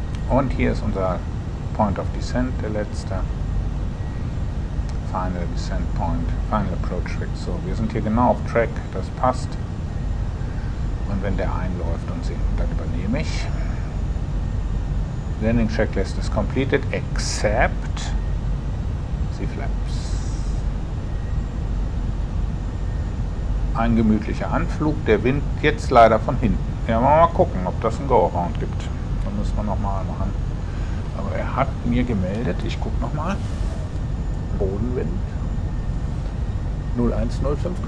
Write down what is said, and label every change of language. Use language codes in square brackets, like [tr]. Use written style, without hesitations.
[de] Und hier ist unser Point of Descent, der letzte. Final Descent Point, Final Approach Track. So, wir sind hier genau auf Track, das passt. Und wenn der einläuft und sinkt, dann übernehme ich. [en] Landing Checklist is completed, except die Flaps. [de] Ein gemütlicher Anflug, der Wind jetzt leider von hinten. Ja, mal gucken, ob das ein Go-Around gibt. Da müssen wir nochmal machen. Aber er hat mir gemeldet, ich gucke nochmal. Bodenwind. 0105 Knoten.